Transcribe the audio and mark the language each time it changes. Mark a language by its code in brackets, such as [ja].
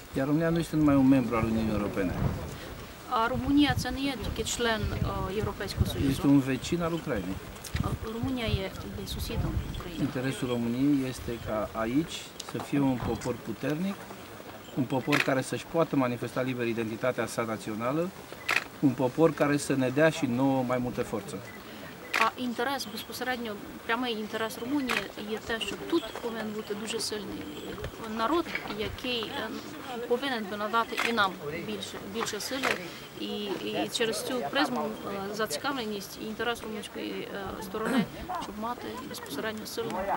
[ro] Iar România nu este numai un membru al Uniunii Europene. [uk] A România це не є тільки член Європейського Союзу. [ro] Este un vecin al Ucrainei. România este susținută în Ucraina. Interesul României este ca aici să fie un popor puternic, un popor care să-și poată manifesta liber identitatea sa națională, un popor care să ne dea și nouă mai multă forță. [uk] A interes, безпосередньо, прямий інтерес Румунії є те, що тут повинен бути дуже сильний народ, який повинен би надати і нам більше сили. І через цю призму зацікавленість і інтерес румунської сторони, щоб мати безпосередньо сильну.